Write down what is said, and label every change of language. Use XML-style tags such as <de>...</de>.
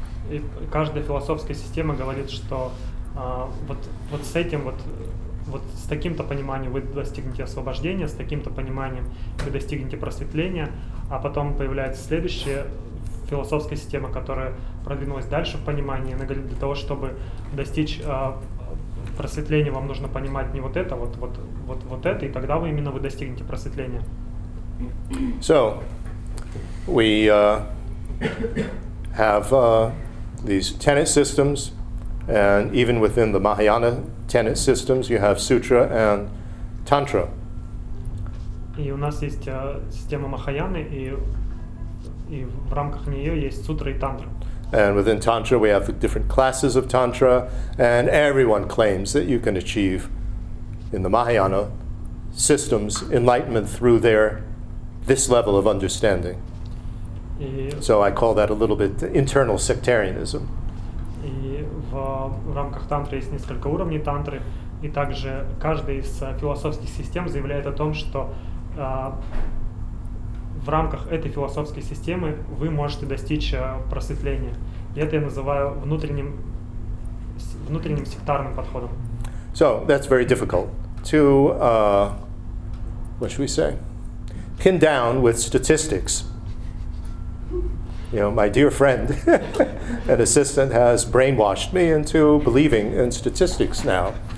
<ru>И каждая философская система говорит, что вот с этим, вот с таким-то пониманием вы достигнете освобождения, с таким-то пониманием вы достигнете просветления, а потом появляется следующая философская система, которая продвинулась дальше в понимании. Она говорит, для того, чтобы достичь просветления, вам нужно понимать не вот это, вот это, и тогда вы именно вы достигнете просветления.</ru> <en>So, we have these tenet systems, and even within the Mahayana tenet systems, you have sutra and tantra.</en> <ru>И у нас есть система Махаяны, и в рамках нее есть сутра и тантра.</ru> <en>And within tantra, we have the different classes of tantra, and everyone claims that you can achieve in the Mahayana systems enlightenment through this level of understanding. So I call that a little bit internal sectarianism.</en> <ru>И в рамках тантры есть несколько уровней тантры, и также каждая из философских систем заявляет о том, что в рамках этой философской системы вы можете достичь просветления. И это я называю внутренним сектарным подходом.</ru> <en>So that's very difficult to what should we say? Pin down with statistics. You know, my dear friend, an assistant has brainwashed me into believing in statistics now.</en>